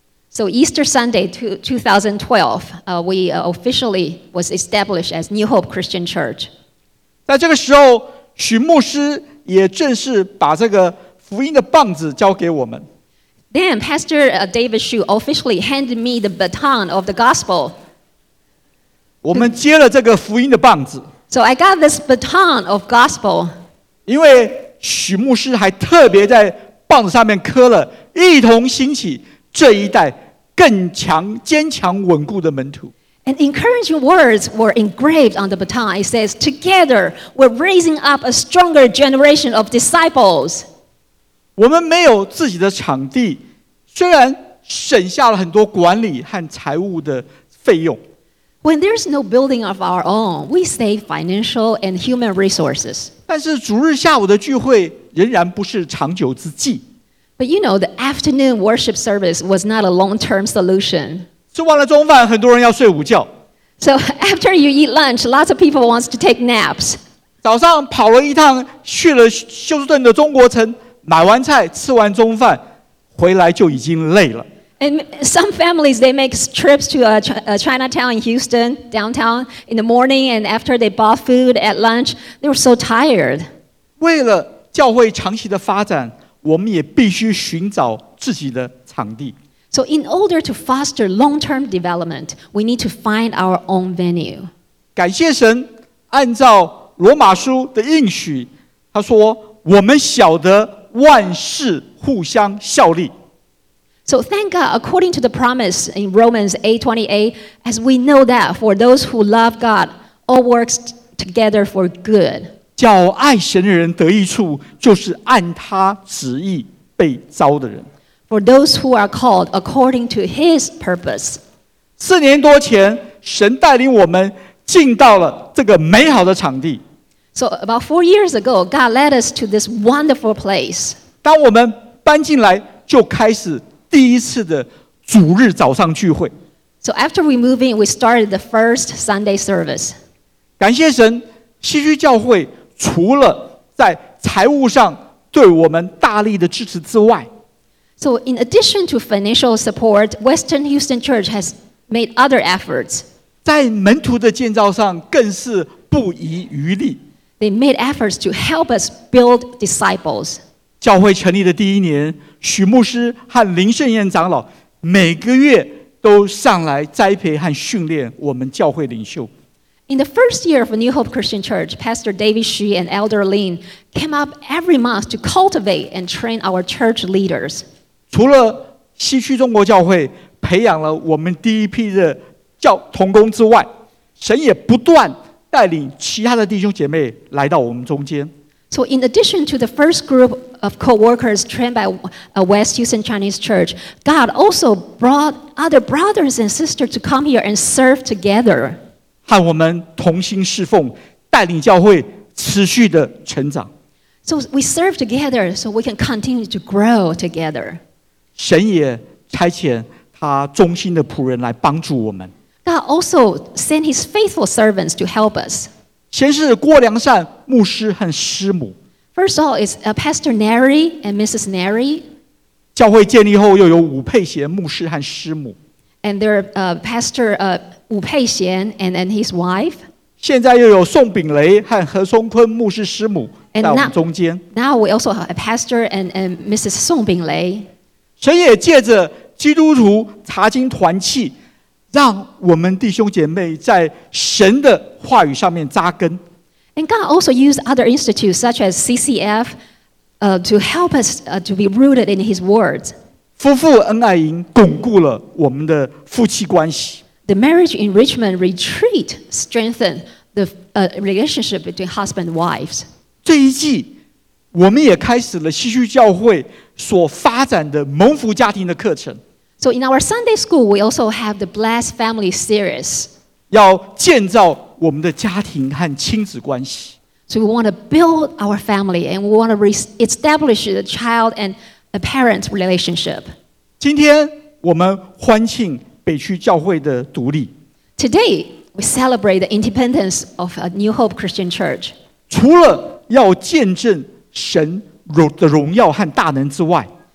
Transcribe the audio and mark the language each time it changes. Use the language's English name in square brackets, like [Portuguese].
[English] So Easter Sunday 2012, we officially was established as New Hope Christian Church. [Chinese] 在这个时候，许牧师也正式把这个福音的棒子交给我们。 [English] Then Pastor David Hsu officially handed me the baton of the gospel. [Chinese] 我们接了这个福音的棒子。 [English] So I got this baton of gospel. [Chinese] 因为许牧师还特别在棒子上面刻了"一同兴起"。这一代更强、坚强、稳固的门徒。 [English] And encouraging words were engraved on the baton. It says, "Together, we're raising up a stronger generation of disciples." [Chinese] 我们没有自己的场地，虽然省下了很多管理和财务的费用。 [English] When there's no building of our own, we save financial and human resources. [Chinese] 但是主日下午的聚会仍然不是长久之计。 [English] But you know, the afternoon worship service was not a long-term solution. [Chinese] 吃完了中饭，很多人要睡午觉。 [English] So after you eat lunch, lots of people want to take naps. [Chinese] 早上跑了一趟，去了休斯顿的中国城，买完菜，吃完中饭，回来就已经累了。 [English] And some families, they make trips to a Chinatown in Houston, downtown, in the morning, and after they bought food at lunch, they were so tired. [Chinese] 为了教会长期的发展，我们也必须寻找自己的场地。 [English] So in order to foster long-term development, we need to find our own venue. [Chinese] 感谢神，按照罗马书的应许，他说我们晓得万事互相效力。 [English] So thank God, according to the promise in Romans 8:28, as we know that for those who love God, all works together for good. [Chinese] 叫爱神的人得益处，就是按他旨意被召的人。 [English] For those who are called according to His purpose. [Chinese] 四年多前，神带领我们进到了这个美好的场地。 [English] So about 4 years ago, God led us to this wonderful place. [Chinese] 当我们搬进来，就开始第一次的主日早上聚会。 [English] So after we moved in, we started the first Sunday service. [Chinese] 感谢神。西区教会除了在财务上对我们大力的支持之外， [English] So in addition to financial support, Western Houston Church has made other efforts. [Chinese] 在门徒的建造上更是不遗余力。 [English] They made efforts to help us build disciples. [Chinese] 教会成立的第一年，许牧师和林圣彦长老每个月都上来栽培和训练我们教会领袖。 [English] In the first year of New Hope Christian Church, Pastor David Hsu and Elder Lin came up every month to cultivate and train our church leaders. [Chinese] 除了西区中国教会培养了我们第一批的教同工之外，神也不断带领其他的弟兄姐妹来到我们中间。 [English] So in addition to the first group of co-workers trained by a West Houston Chinese Church, God also brought other brothers and sisters to come here and serve together. [Chinese] 和我们同心侍奉，带领教会持续的成长。 [English] So we serve together, so we can continue to grow together. [Chinese] 神也差遣他忠心的仆人来帮助我们。 [English] God also sent His faithful servants to help us. [Chinese] 先是郭良善牧师和师母。 [English] First of all, is Pastor Neri and Mrs. Neri. [Chinese] 教会建立后，又有伍佩贤牧师和师母。 [English] And their pastor. 吴佩贤 and then his wife. [Chinese] 现在又有宋炳雷和何松坤牧师师母在我们中间。 [English] Now we also have a pastor and Mrs. [Chinese] 宋炳雷。神也借着基督徒查经团契，让我们弟兄姐妹在神的话语上面扎根。 [English] And God also used other institutes such as CCF to help us to be rooted in His words. [Chinese] 夫妇恩爱营巩固了我们的夫妻关系。 [English] The marriage enrichment retreat strengthened the relationship between husband and wives. [Chinese] 这一季，我们也开始了西区教会所发展的蒙福家庭的课程。 [English] So in our Sunday school, we also have the Blessed Family series. [Chinese] 要建造我们的家庭和亲子关系。 [English] So we want to build our family and we want to establish the child and the parent relationship. [Chinese] 今天我们欢庆北区教会的独立。 [English] Today, we celebrate the independence of a New Hope Christian Church. [Chinese] 除了要见证神的荣耀和大能之外，